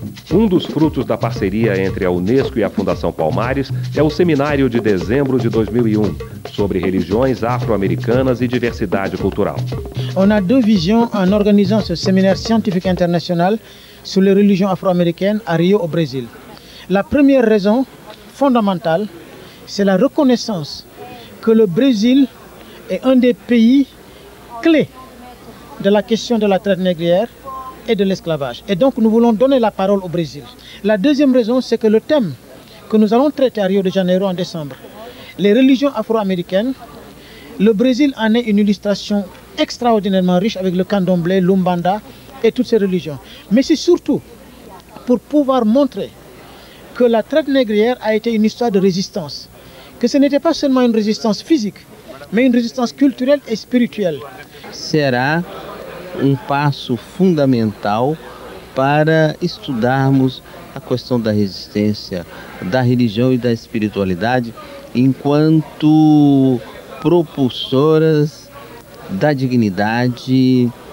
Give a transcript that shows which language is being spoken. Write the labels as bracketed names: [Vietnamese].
[Portuguese] Um dos frutos da parceria entre a Unesco e a Fundação Palmares é o seminário de dezembro de 2001 sobre religiões afro-americanas e diversidade cultural. [French] On a deux visions en organisant ce séminaire scientifique international sur les religions afro-américaines à Rio, au Brésil. La première raison fondamentale, c'est la reconnaissance que le Brésil est un des pays clés de la question de la traite négrière et de l'esclavage. Et donc, nous voulons donner la parole au Brésil. La deuxième raison, c'est que le thème que nous allons traiter à Rio de Janeiro en décembre, les religions afro-américaines, le Brésil en est une illustration extraordinairement riche avec le candomblé, l'umbanda et toutes ces religions. Mais c'est surtout pour pouvoir montrer que la traite négrière a été une histoire de résistance. Que ce n'était pas seulement une résistance physique, mais une résistance culturelle et spirituelle. [Portuguese] Será um passo fundamental para estudarmos a questão da resistência, da religião e da espiritualidade enquanto propulsoras da dignidade